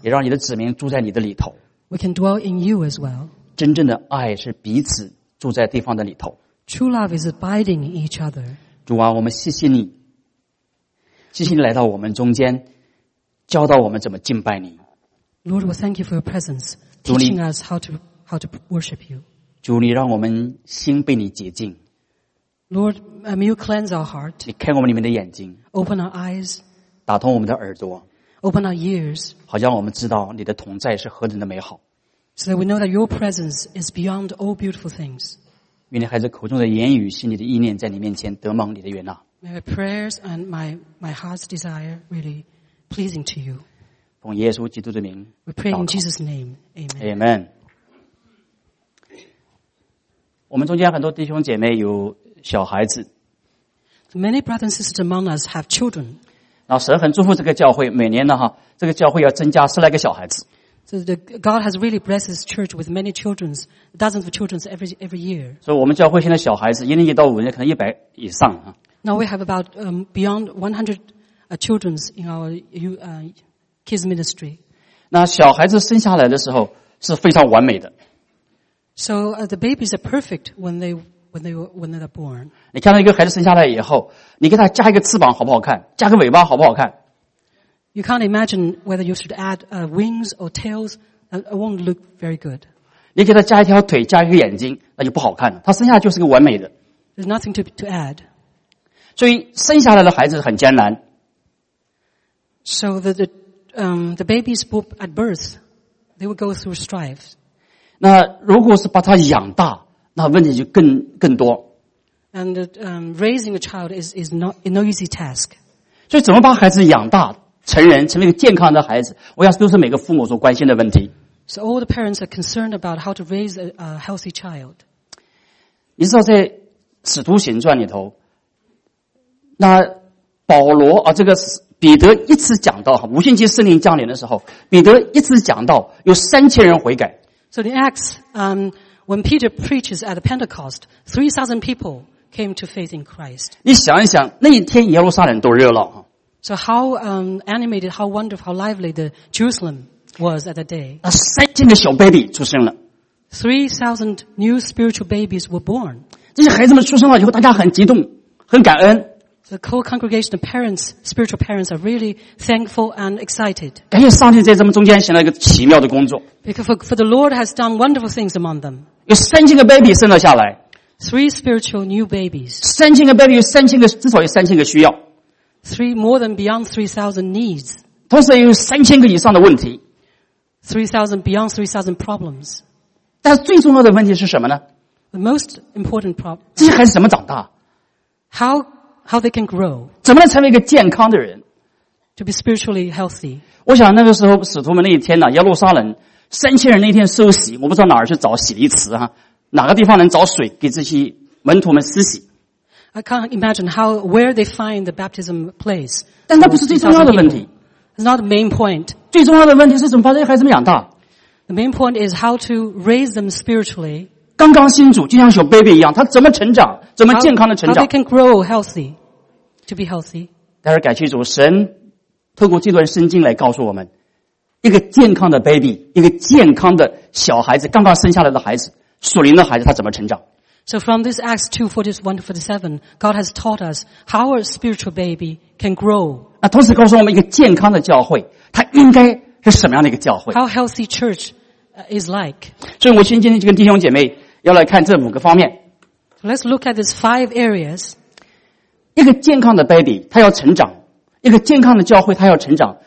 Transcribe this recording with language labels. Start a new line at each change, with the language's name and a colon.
Chinese: 也让你的子民住在你的里头。
English: We can dwell in you as well.
Chinese: 真正的爱是彼此住在对方的里头。
English: True love is abiding in each other.
Chinese: 主啊，我们谢谢你，谢谢你来到我们中间，教导我们怎么敬拜你。
English: Lord, we thank you for your presence, teaching us how to worship you.
Chinese: 主，你让我们心被你洁净。
English: Lord, may you cleanse our heart.
Chinese: 你开我们里面的眼睛。
English: Open our eyes.
Chinese: 打通我们的耳朵。
English: Open our ears.
Chinese: 好像我们知道你的同在是何等的美好。
English: So that we know that your presence is beyond all beautiful things.
Chinese: 愿你孩子口中的言语、心里的意念在你面前得蒙你的悦纳。
English: May my prayers and my heart's desire really pleasing to you.
Chinese: 奉耶稣基督的名。
English: We pray in Jesus' name. Amen. Amen.
Chinese: 我们中间很多弟兄姐妹有小孩子。
English: Many brothers and sisters among us have children.
Chinese: 然后神很祝福这个教会，每年呢哈，这个教会要增加十来个小孩子。
English: So God has really blessed His church with many children, dozens of children every year.
Chinese: 所以我们教会现在小孩子一年级到五年可能100以上啊。
English: Now we have about beyond 100 children in our kids ministry.
Chinese: 那小孩子生下来的时候是非常完美的。
English: So the babies are perfect when they are born.
Chinese: 你看到一个孩子生下来以后，你给他加一个翅膀好不好看？加个尾巴好不好看
English: ？You can't imagine whether you should add wings or tails It won't look very good.
Chinese: 你给他加一条腿，加一个眼睛，那就不好看了。他生下来就是个完美的。
English: There's nothing to add.
Chinese: 所以生下来的孩子很艰难。
English: So the babies born at birth, they will go through strife.
Chinese: 那如果是把他养大，那问题就更多。
English: And raising a child is not no easy task.
Chinese: 所以怎么把孩子养大？成人成为一个健康的孩子，我想都是每个父母所关心的问题。
English: So all the parents are concerned about how to raise a healthy child.
Chinese: 你知道在《使徒行传》里头，那保罗啊，这个彼得一次讲到五旬节圣灵降临的时候，彼得一次讲到有3000人悔改。
English: So in Acts, when Peter preaches at the Pentecost, 3,000 people came to faith in Christ.
Chinese: 你想一想，那一天耶路撒冷多热闹啊！
English: So how animated, how wonderful, how lively the Jerusalem was at that day.
Chinese: 3000的小 baby 出生了。
English: 3000 new spiritual babies were born.
Chinese: 这些孩子们出生了以后，大家很激动，很感恩。
English: The whole congregation of parents, spiritual parents, are really thankful and excited.
Chinese: 感谢上帝在他们中间行了一个奇妙的工作。
English: Because for the Lord has done wonderful things among them.
Chinese: 有3000个 baby 生了下来。
English: Three spiritual new babies.
Chinese: 3000个 baby 有3000个，至少有3000个需要。
English: More than beyond 3,000 needs.
Chinese: 同时有3000个以上的问题。
English: 3,000 beyond 3,000 problems.
Chinese: 但是最重要的问题是什么呢？
English: The most important problem.
Chinese: 这些孩子怎么长大？
English: How they can grow.
Chinese: 怎么能成为一个健康的人？
English: To be spiritually healthy.
Chinese: 我想那个时候使徒们那一天呢，耶路撒冷3000人那天受洗，我不知道哪儿去找洗涤池啊，哪个地方能找水给这些门徒们施洗。
English: I can't imagine where they find the baptism place.
Chinese: 但那不是最重要的问题。
English: It's not the main point.
Chinese: 最重要的问题是怎么把这些孩子们养大。
English: The main point is how to raise them spiritually.
Chinese: 刚刚信主就像小 baby 一样，他怎么成长，怎么健康的成长。
English: How they can grow healthy, to be healthy.
Chinese: 但是感谢主，神透过这段圣经来告诉我们，一个健康的 baby, 一个健康的小孩子，刚刚生下来的孩子，属灵的孩子，他怎么成长。
English: So from this Acts 2:41-47, God has taught us how a spiritual baby can grow.
Chinese: 那同时告诉我们一个健康的教会，它应该是什么样的一个教会
English: ？How healthy church is like?
Chinese: 所以我今天就跟弟兄姐妹要来看这五个方面。
English: Let's look at these 5 areas.
Chinese: 一个健康的 baby， 它要成长；一个健康的教会，它要成长。